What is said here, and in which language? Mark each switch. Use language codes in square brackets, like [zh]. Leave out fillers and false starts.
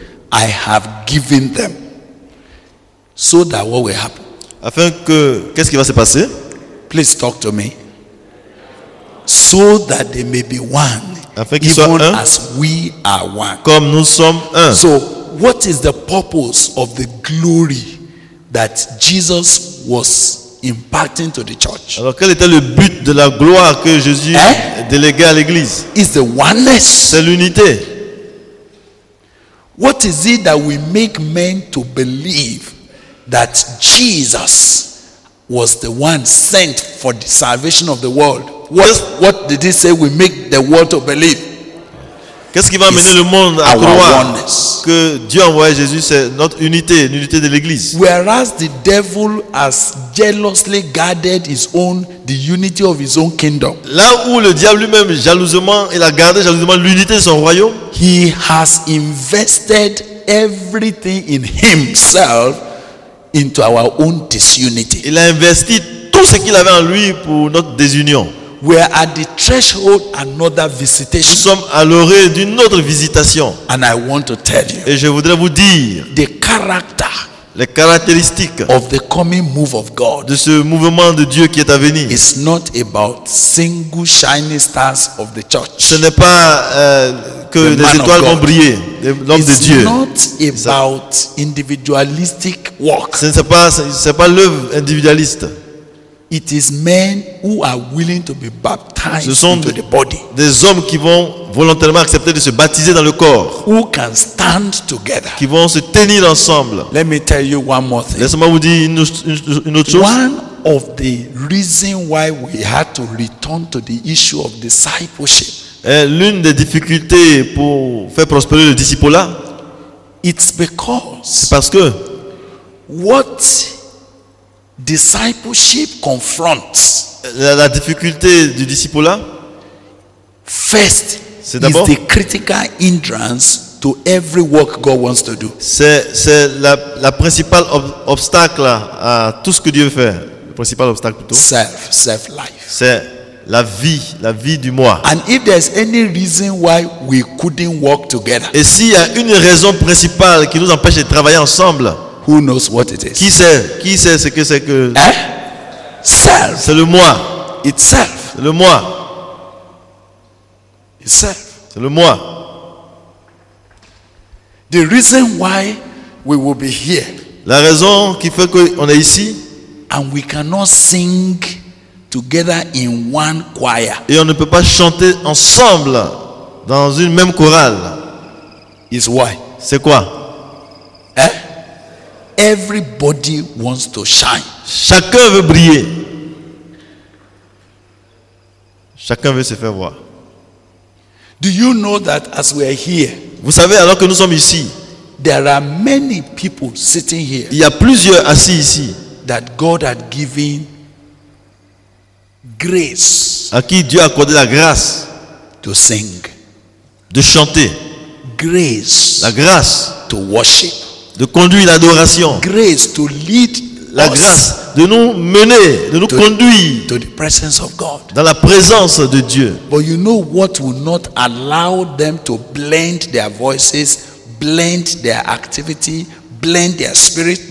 [en] I have given them, so that what will happen. [fr] Afin que, qu'est-ce qui va se passer? [en] Please talk to me. So that they may be one. [fr] Afin qu'ils soient un. [en] As we are one. [fr] Comme nous sommes un. [en] So, what is the purpose of the glory that Jesus was imparting to the church? [fr] Alors, quel était le but de la gloire que Jésus déléguait à l'église? [en] It's the oneness. [fr] C'est l'unité. [en] What is it that we make men to believe? That Jesus was the one sent for the salvation of the world. What did he say we make the world to believe? [fr] Qu'est-ce qui va amener le monde à croire que Dieu a envoyé Jésus, c'est notre unité, l'unité de l'Église. [en] Whereas the devil has jealously guarded his own, the unity of his own kingdom. [fr] Là où le diable lui-même jalousement, il a gardé jalousement l'unité de son royaume. [en] He has invested everything in himself into our own disunity. [fr] Il a investi tout ce qu'il avait en lui pour notre désunion. [en] We are at the threshold another visitation. [fr] Nous sommes à l'orée d'une autre visitation. [en] And I want to tell you. [fr] Et je voudrais vous dire. [en] The character. [fr] Les caractéristiques. [en] Of the coming move of God. [fr] De ce mouvement de Dieu qui est à venir. [en] It's not about single shining stars of the church. [fr] Ce n'est pas que les étoiles vont briller. L'homme de Dieu. [en] It's not about individualistic work. [fr] Ce n'est pas l'œuvre individualiste. [en] It is men who are willing to be baptized into the body. [fr] Des hommes qui vont volontairement accepter de se baptiser dans le corps. [en] Who can stand together? [fr] Qui vont se tenir ensemble. [en] Let me tell you one more thing. [fr] Laissez-moi vous dire une autre chose. [en] One of the reasons why we had to return to the issue of discipleship. [fr] Et l'une des difficultés pour faire prospérer le discipulat. [en] It's because. [fr] C'est parce que. [en] What discipleship confronts. [fr] La difficulté du discipulat. [en] First, [fr] c'est d'abord, [en] is the critical hindrance to every work God wants to do. [fr] C'est la principale obstacle à tout ce que Dieu veut faire. Le principal obstacle plutôt. [en] Self life. [fr] C'est la vie du moi. [en] And if there's any reason why we couldn't work together. [fr] Et s'il y a une raison principale qui nous empêche de travailler ensemble. [en] Who knows what it is? [fr] Qui sait ce que c'est que? [en] Hein? Self. [fr] C'est le moi. [en] Itself. [fr] C'est le moi. [en] Itself. [fr] C'est le moi. [en] The reason why we will be here. [fr] La raison qui fait qu'on est ici. [en] And we cannot sing together in one choir. [fr] Et on ne peut pas chanter ensemble dans une même chorale. [en] Is why. [fr] C'est quoi? [en] Hein? Everybody wants to shine. [fr] Chacun veut briller. Chacun veut se faire voir. [en] Do you know that as we are here? [fr] Vous savez alors que nous sommes ici. [en] There are many people sitting here. [fr] Il y a plusieurs assis ici. [en] That God had given grace. [fr] À qui Dieu a accordé la grâce. [en] To sing. [fr] De chanter. [en] Grace. [fr] La grâce. [en] To worship. [fr] De conduire l'adoration. [en] Grace to lead [fr] la grâce de nous mener, de nous conduire [en] to the presence of God. [fr] Dans la présence de Dieu. [en] But you know what will not allow them to blend their voices, blend their activity, blend their spirit?